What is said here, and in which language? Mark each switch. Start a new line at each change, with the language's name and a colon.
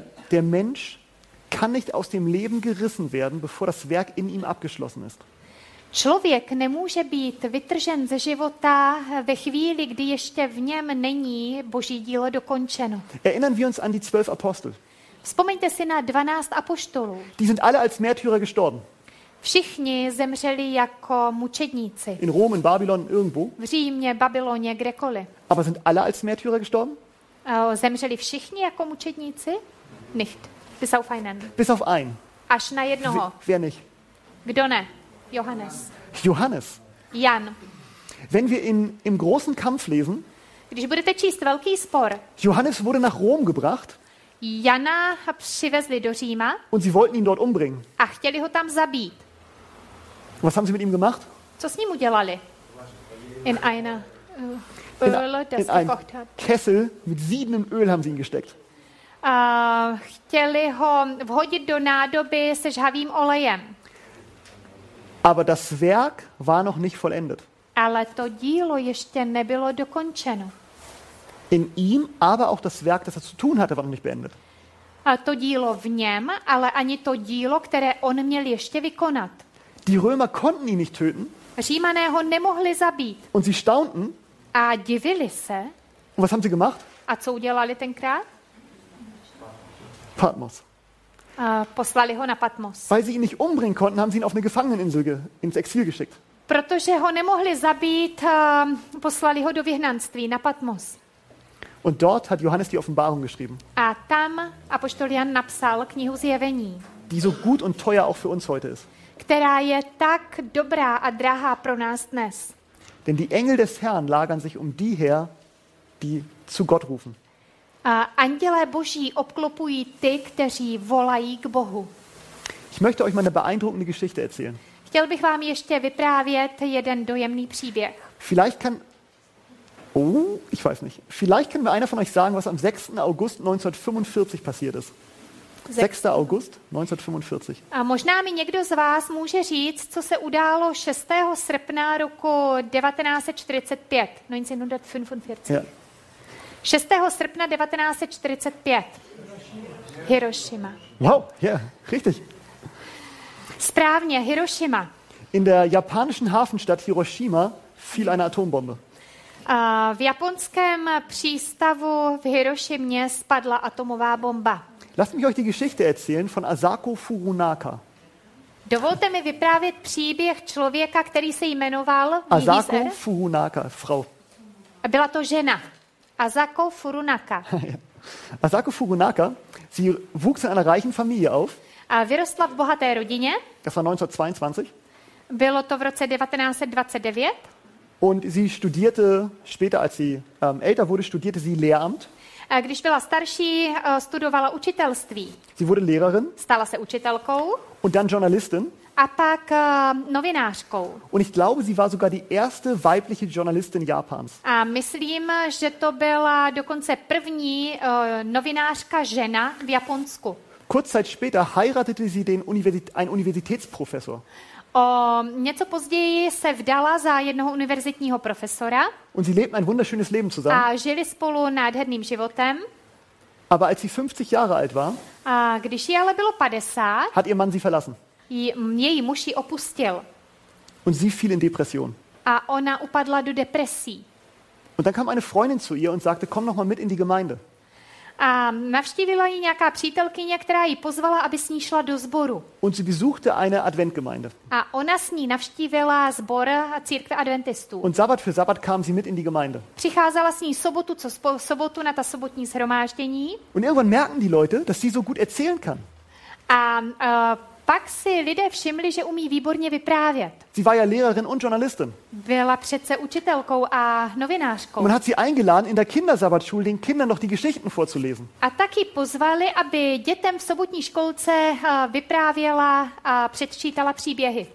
German: Der Mensch kann nicht aus dem Leben gerissen werden, bevor das Werk in ihm abgeschlossen ist.
Czech: Člověk nemůže být vytržen ze života ve chvíli, kdy ještě v něm není Boží dílo dokončeno.
German: Erinnern wir uns an die 12 Apostel.
Czech: Vzpomeňte si na 12 apoštolů.
German: Die sind alle als Märtyrer gestorben.
Czech: Všichni zemřeli jako mučedníci.
German: In Rom, in Babylon, irgendwo.
Czech: V Římě, Babyloně, kdekoliv.
German: Aber sind alle als Märtyrer gestorben?
Czech: Zemřeli všichni jako mučedníci?
German: Nicht. Bis auf einen. Bis auf einen.
Czech: Až na jednoho.
German: Wer nicht?
Czech: Kdo ne?
German: Johannes. Johannes.
Czech: Jan.
German: Wenn wir im großen Kampf lesen.
Czech: Když budete číst velký spor.
German: Johannes wurde nach Rom gebracht.
Czech: Jana přivezli do Říma.
German: Und sie wollten ihn dort umbringen.
Czech: A chtěli ho tam zabít.
German: Was haben sie mit ihm gemacht?
Czech: Co s ním udělali?
German: In einer Öl, in einen Kessel mit siedendem Öl haben sie ihn gesteckt.
Czech: Chtěli ho vhodit do nádoby se žhavým olejem.
German: Aber das Werk war noch nicht vollendet.
Czech: Ale to dílo ještě nebylo dokončeno.
German: In ihm, aber auch das Werk, das er zu tun hatte, war noch nicht beendet.
Czech: A to dílo v něm, ale ani to dílo, které on měl ještě vykonat.
German: Die Römer konnten ihn nicht töten.
Czech: Římané ho nemohli zabít.
German: Und sie staunten.
Czech: A divili se.
German: Und was haben sie gemacht?
Czech: A co udělali tenkrát?
German: Patmos.
Czech: A poslali ho na Patmos.
German: Weil sie ihn nicht umbringen konnten, haben sie ihn auf eine Gefangeneninsel ins Exil geschickt.
Czech: Protože ho nemohli zabít, poslali ho do vyhnanství na Patmos.
German: Und dort hat Johannes die Offenbarung geschrieben.
Czech: A tam apoštol Jan napsal knihu Zjevení.
German: Die so gut und teuer auch für uns heute ist.
Czech: Která je tak dobrá a drahá pro nás dnes.
German: Denn die Engel des Herrn lagern sich um die her, die zu Gott rufen.
Czech: A andělé Boží obklopují ty, kteří volají k Bohu.
German: Ich möchte euch mal eine beeindruckende Geschichte erzählen.
Czech: Chtěl bych vám ještě vyprávět jeden dojemný příběh.
German: Vielleicht kann ich weiß nicht. Vielleicht können wir einer von euch sagen, was am 6. August 1945 passiert ist. 6. August 1945.
Czech: A možná mi někdo z vás může říct, co se událo 6. srpna roku 1945. 1945. Ja. 6. srpna 1945. Hiroshima.
English: Wow, yeah,
German: richtig.
Czech: Správně, Hiroshima.
German: In der japanischen Hafenstadt Hiroshima fiel eine Atombombe.
Czech: V japonském přístavu v Hirošimě spadla atomová bomba.
German: Lass mich euch die Geschichte erzählen von Asako Furunaka.
Czech: Dovolte mi vyprávět příběh člověka, který se jmenoval
German: Asako Furunaka, Frau.
Czech: Byla to žena. Asako Furunaka.
German: Asako Furunaka, sie wuchs in einer reichen Familie auf.
Czech: A vyrostla v bohaté rodině.
German: Das war 1922.
Czech: Bylo to v roce 1929.
German: Und sie studierte später, als sie älter wurde, studierte sie Lehramt.
Czech: Když byla starší, studovala učitelství.
German: Sie wurde Lehrerin.
Czech: Stala se učitelkou.
German: Und dann Journalistin.
Czech: A pak novinářkou.
German: Und ich glaube, sie war sogar die erste weibliche Journalistin Japans.
Czech: A myslím, že to byla dokonce první novinářka žena v Japonsku.
German: Kurz Zeit später heiratete sie einen Universitätsprofessor.
Czech: Něco později se vdala za jednoho univerzitního profesora.
German: Und sie lebten ein wunderschönes Leben zusammen.
Czech: A žili spolu nádherným životem.
German: Aber als sie 50 Jahre alt war,
Czech: a když jí ale bylo 50,
German: hat ihr Mann sie verlassen.
Czech: Její muž ji opustil.
German: Und sie fiel in Depression.
Czech: A ona upadla do depresí.
German: Und dann kam eine Freundin zu ihr und sagte, komm noch mal mit in die Gemeinde.
Czech: A navštívila ji nějaká přítelkyně, která ji pozvala, aby s ní šla do sboru.
German: Und sie besuchte eine Adventgemeinde.
Czech: A ona s ní navštívila sbor církve adventistů.
German: Und Sabbat für Sabbat kam sie mit in die Gemeinde.
Czech: Přicházela s ní sobotu co sobotu na ta sobotní shromáždění.
German: Und irgendwann merken die Leute, dass sie so gut erzählen kann.
Czech: A pak si lidé všimli, že umí výborně vyprávět.
German: Sie war ja Lehrerin und Journalistin.
Czech: Byla přece učitelkou a novinářkou.
German: Man hat sie eingeladen, in der Kindersabbatschule den Kindern noch die Geschichten vorzulesen.
Czech: A taky pozvali, aby dětem v sobotní školce vyprávěla a předčítala příběhy.